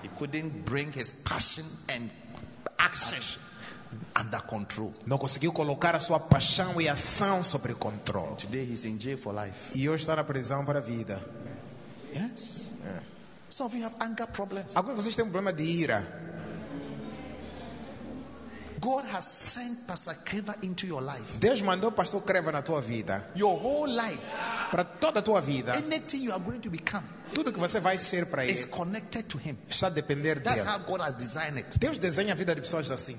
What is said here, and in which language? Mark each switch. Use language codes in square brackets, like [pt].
[en] He couldn't bring his passion and action under control. [pt] Não conseguiu colocar a sua paixão e ação sob controle. [en] Today he's in jail for life. [pt] E hoje está na prisão para a vida. [en] Yes. Yeah. Some of you have anger problems. [pt] Alguns de vocês têm um problema de ira. [en] God has sent Pastor Creva into your life. [pt] Deus mandou Pastor Creva na tua vida. [en] Your whole life. [pt] Para toda a tua vida. [en] Anything you are going to become. [pt] Tudo que você vai ser para ele. [en] Is connected to him. [pt] Está a depender dele. [en] That's how God has designed it. [pt] Deus desenha a vida de pessoas assim.